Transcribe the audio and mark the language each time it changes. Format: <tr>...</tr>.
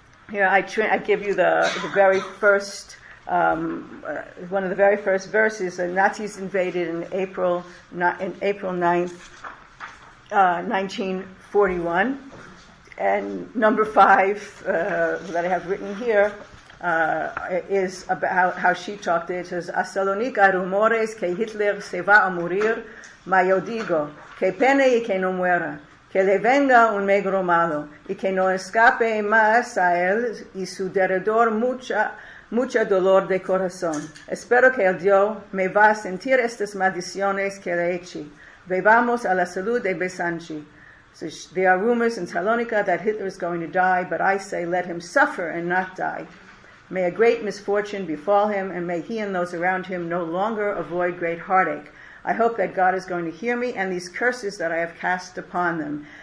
<en>I give you the very first. One of the very first verses: the Nazis invaded in April 9th, 1941. And number five that I have written here is about how she talked. It says,</en> <lad>"A Salonika rumores que Hitler se va a morir, ma yo digo que pene y que no muera, que le venga un negro malo y que no escape más a él y su derredor mucha dolor de corazón. Espero que el Dios me va a sentir estas maldiciones que le eche. Vivamos a la salud de Besanchi."</lad> <en>So there are rumors in Salonika that Hitler is going to die, but I say let him suffer and not die. May a great misfortune befall him, and may he and those around him no longer avoid great heartache. I hope that God is going to hear me and these curses that I have cast upon them.</en>